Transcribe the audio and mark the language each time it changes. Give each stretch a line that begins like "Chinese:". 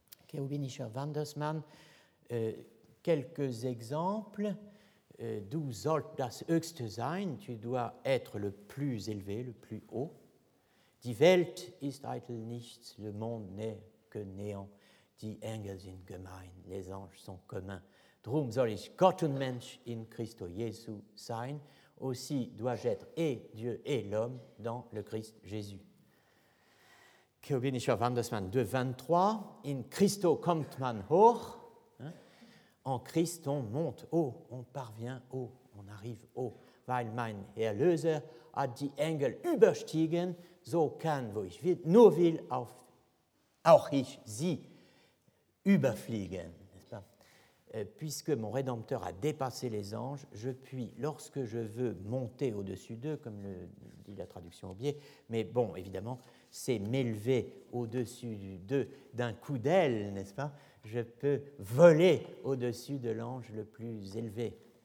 French: Cherubinischer Wandersmann, quelques exemples.
German: Du sollst das höchste sein,
French: tu dois être le plus élevé, le plus haut.
German: Die Welt ist eitel nichts,
French: le monde n'est que néant.
German: Die Engel sind gemein,
French: les anges sont communs.
German: Drum soll ich Gott und Mensch in Christo Jesu sein,
French: aussi dois-je être et Dieu et l'homme dans le Christ Jésus.
German: Cherubinischer Wandersmann 2:23, in Christo kommt man hoch.
French: En Christ, on monte haut, on parvient haut, on arrive haut.
German: Weil mein Erlöser hat die Engel überstiegen, so kann, wo ich will, nur will auf, auch ich sie überfliegen.
French: N'est-ce pas? Puisque mon Rédempteur a dépassé les anges, je puis, lorsque je veux, monter au-dessus d'eux, comme le dit la traduction au biais, mais bon, évidemment, c'est m'élever au-dessus d'eux d'un coup d'aile, n'est-ce pas? je peux voler au-dessus de l'ange le plus élevé.